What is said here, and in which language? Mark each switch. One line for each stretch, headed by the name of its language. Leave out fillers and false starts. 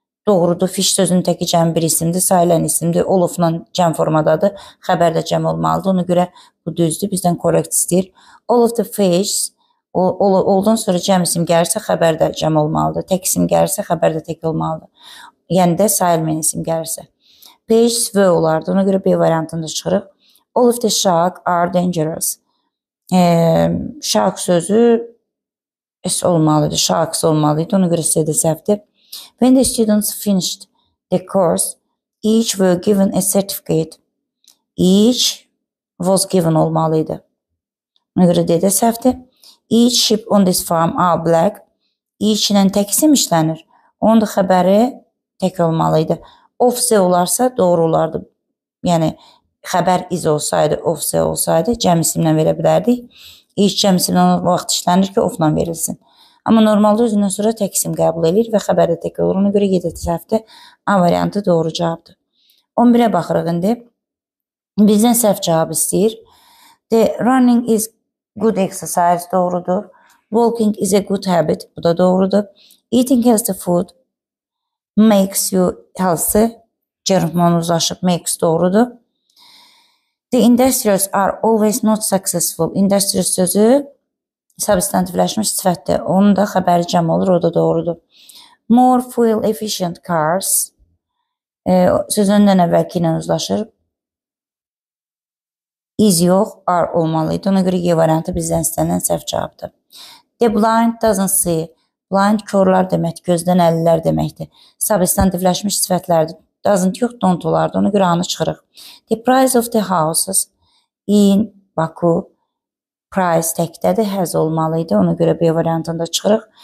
Azerbaijani: Doğrudur, fiş sözünün təki cəm bir isimdir, sayılan isimdir, olufla cəm formadadır, xəbər də cəm olmalıdır, ona görə bu düzdür, bizdən korrekt istəyir.
English: All of the fish,
Azerbaijani: oldan sonra cəm isim gəlirsə, xəbər də cəm olmalıdır, tək isim gəlirsə, xəbər də tək olmalıdır, yəni də sayılmayan isim gəlirsə. Fish və olardı, ona görə B variantını da çıxırıq.
English: All of the shark are dangerous.
Azerbaijani: Shark sözü S olmalıydı, sharks olmalıydı, ona görə sizə də səhvdir.
English: When the students finished the course, each were given a certificate. Each was given
Azerbaijani: olmalıydı. Ona görə D-də səhvdir.
English: Each sheep on this farm are black.
Azerbaijani: Each ilə tək isim işlənir. Onun da xəbəri tək olmalıydı. Of C olarsa doğru olardı. Yəni, xəbər is olsaydı, of C olsaydı, cəm isimlə verə bilərdik. Each cəm isimlə o vaxt işlənir ki, ofla verilsin. Amma normalda özündən sonra tək isim qəbul edir və xəbər də tək olur. Ona görə 7 səhvdir. A variantı doğru cavabdır. 11-ə baxırıq indi. Bizdən səhv cavab istəyir.
English: The running is good exercise
Azerbaijani: doğrudur.
English: Walking is a good habit.
Azerbaijani: Bu da doğrudur.
English: Eating healthy food makes you healthy.
Azerbaijani: Cermon uzlaşıb makes doğrudur.
English: The industries are always not successful.
Azerbaijani: Industries sözü substantivləşmiş sifətdir. Onun da xəbəri cəm olur, o da doğrudur.
English: More fuel efficient cars.
Azerbaijani: Sözündən əvvəlki ilə uzlaşır. Is yox, are olmalıydı. Ona görə E variantı bizdən istənilən səhv cavabdır.
English: The blind doesn't see.
Azerbaijani: Blind körlər deməkdir, gözdən əllər deməkdir. Substantivləşmiş sifətlərdir. Doesn't yox, don't olardı. Ona görə anı çıxırıq.
English: The price of the houses in Baku.
Azerbaijani: Price təkdədir, has olmalıydı, ona görə B variantında çıxırıq.